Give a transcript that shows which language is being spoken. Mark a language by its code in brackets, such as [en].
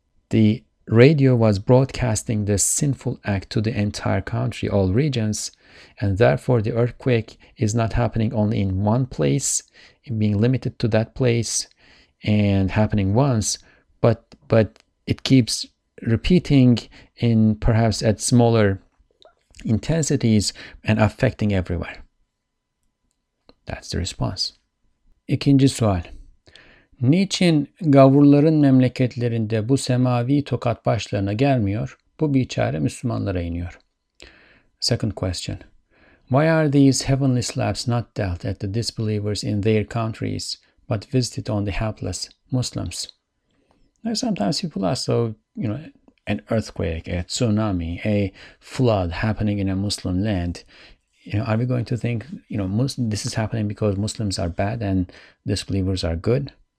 [en] The radio was broadcasting the sinful act to the entire country, all regions, and therefore the earthquake is not happening only in one place, being limited to that place and happening once, but it keeps repeating in perhaps at smaller intensities and affecting everywhere. That's the response. [tr] İkinci sual. Niçin gavurların memleketlerinde bu semavi tokat başlarına gelmiyor, bu biçare Müslümanlara iniyor? [en] Second question. Why are these heavenly slaps not dealt at the disbelievers in their countries, but visited on the hapless Muslims? Now, sometimes people ask, so, you know, an earthquake, a tsunami, a flood happening in a Muslim land, you know, are we going to think, you know, this is happening because Muslims are bad and disbelievers are good?